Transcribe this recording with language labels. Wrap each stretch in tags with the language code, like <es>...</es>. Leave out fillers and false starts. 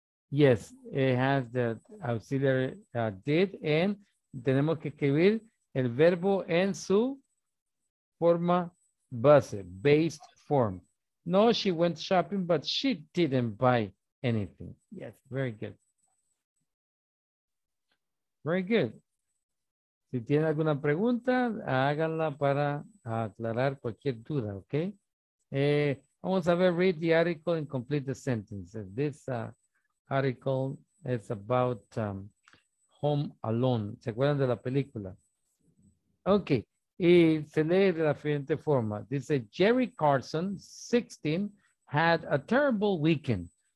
<en>Yes, it has the auxiliary did, and</en> <es>tenemos que escribir el verbo en su forma base,</es> <en>based form. No, she went shopping, but she didn't buy anything. Yes, very good. Very good.</en> <es>Si tiene alguna pregunta, háganla para aclarar cualquier duda, okay? Vamos a ver,</es> <en>read the article and complete the sentences. This article is about Home Alone.</en> <es>¿Se acuerdan de la película? Okay. Y se lee de la siguiente forma. Dice,</es> <en>Jerry Carson, 16, had a terrible weekend.</en>